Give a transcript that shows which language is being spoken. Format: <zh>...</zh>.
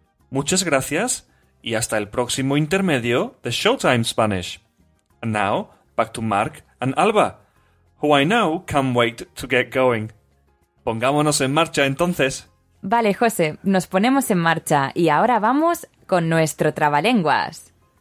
<es>Muchas gracias y hasta el próximo intermedio de Showtime Spanish.</es> <en>And now, back to Mark and Alba, who I know can't wait to get going.</en> <es>Pongámonos en marcha entonces. Vale, José, nos ponemos en marcha y ahora vamos con nuestro trabalenguas.</es>